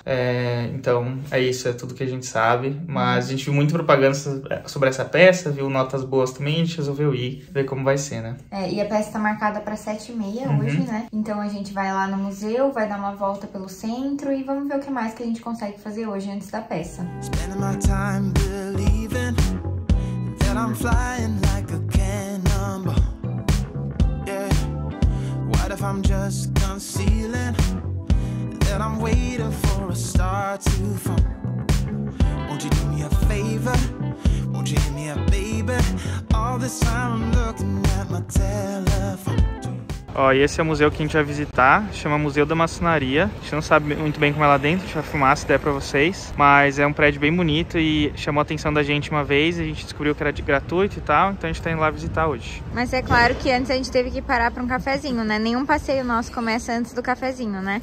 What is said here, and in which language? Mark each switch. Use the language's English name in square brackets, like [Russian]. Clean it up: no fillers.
[Portuguese] É, então é isso, é tudo que a gente sabe. Mas a gente viu muita propaganda sobre essa peça, viu notas boas também, a gente resolveu ir, ver como vai ser, né? É, e a peça tá marcada pra 7:30 hoje, né? Então a gente vai lá no museu, vai dar uma volta pelo centro e vamos ver o que mais que a gente consegue fazer hoje antes da peça. [English] Spending my time believing that I'm flying like a cannonball. Yeah. What if I'm just concealing that I'm waiting for a star to fall? Won't you do me a favor? Won't you hit me up, baby? All this time I'm looking at my telephone. [Portuguese] Ó, e esse é o museu que a gente vai visitar, chama Museu da Maçonaria. A gente não sabe muito bem como é lá dentro, a gente vai filmar se der pra vocês. Mas é um prédio bem bonito e chamou a atenção da gente uma vez, a gente descobriu que era de gratuito e tal, então a gente tá indo lá visitar hoje. Mas é claro que antes a gente teve que parar pra um cafezinho, né? Nenhum passeio nosso começa antes do cafezinho, né?